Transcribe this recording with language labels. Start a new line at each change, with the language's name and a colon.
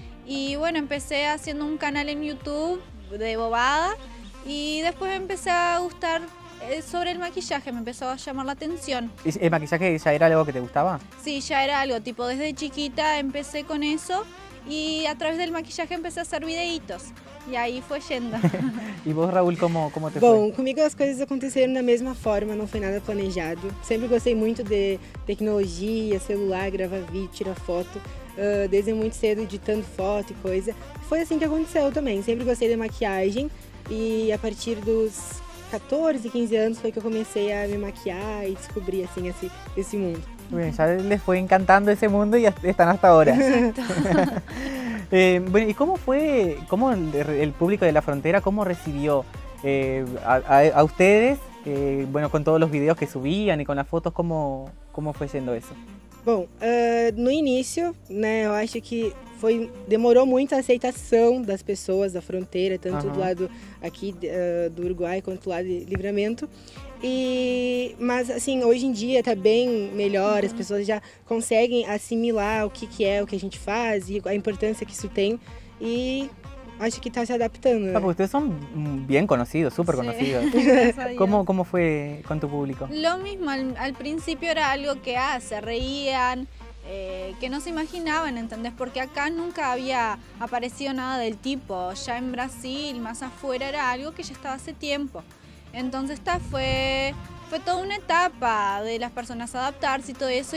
Spanish: Y bueno, empecé haciendo un canal en YouTube de bobada y después empecé a gustar sobre el maquillaje, me empezó a llamar la atención. ¿El maquillaje ya era algo que te gustaba? Sí, ya era algo, tipo desde chiquita empecé con eso y a través del maquillaje empecé a hacer videitos. Y ahí fue yendo. ¿Y vos, Raúl, cómo te fue?
Portuguese: Bom, comigo
Spanish: las cosas
Portuguese: aconteceram da mesma forma,
Spanish: no fue nada
Portuguese: planejado. Siempre gostei muito de tecnologia, celular, gravar vídeo, tirar foto. Desde muito cedo editando foto e coisa. Foi assim que aconteceu também. Sempre gostei de maquiagem. E a partir dos 14, 15 anos foi que eu comecei a me maquiar e descobri assim, esse mundo. Bem, já les foi encantando esse mundo e estão hasta agora.
Spanish: Bueno, ¿y cómo el público de La Frontera, cómo recibió a ustedes, bueno, con todos los videos que subían y con las fotos, cómo fue siendo eso?
Portuguese: Bom, no inicio, né, yo acho que demorou muito a aceitação das pessoas da fronteira, tanto do lado aqui do Uruguai quanto do lado de Livramento. Mas assim, hoje em dia está bem melhor, as pessoas já conseguem assimilar o que é o que a gente faz e a importância que isso tem. E acho que está se adaptando. Ah, vocês são bem conhecidos, super conhecidos. Como foi com o teu público?
Spanish: Lo mesmo, al principio era algo que se reían. Que no se imaginaban, ¿entendés? Porque acá nunca había aparecido nada del tipo. Ya en Brasil, más afuera, era algo que ya estaba hace tiempo. Entonces esta fue toda una etapa de las personas adaptarse y todo eso.